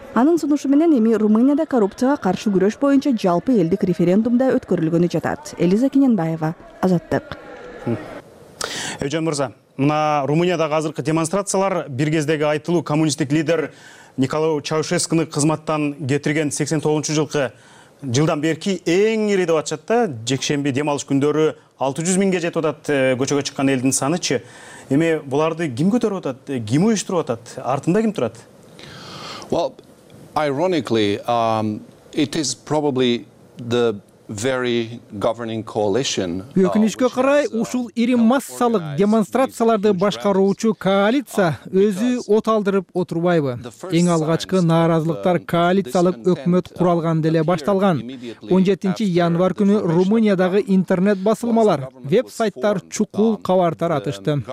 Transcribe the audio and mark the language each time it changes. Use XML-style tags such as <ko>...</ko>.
<ky>Анын сунушу менен эми Румынияда коррупцияга каршы күрөш боюнча жалпы элдик референдумда өткөрүлгөнү жатат. Элиза Кененбаева, Азаттык. Эжен Мырза, мына Румыниядагы азыркы демонстрациялар бир кездеги айтылуу коммунисттик лидер Николай Чаушескуну кызматтан кетирген 89-жу жылкы жылдан берки эң ири деп атышат да. Жекшемби дем алыш күндөрү 600 миңге жетип атат көчөгө чыккан элдин санычы. Эми буларды ким көтөрүп атат? Ким уюштуруп атат? Артында ким турат?</ky> <en>Well, ironically, it is probably the very governing coalition.</en> <ky>Өкүнүчкө карай, ушул ири массалык демонстрацияларды башкаруучу коалиция өзү от алдырып отурбайбы? Эң алгачкы нааразылыктар коалициялык өкмөт куралган деле башталган. 17 январь күнү Румыниядагы интернет басылмалар, веб-сайттар чукул кабар таратышты.</ky>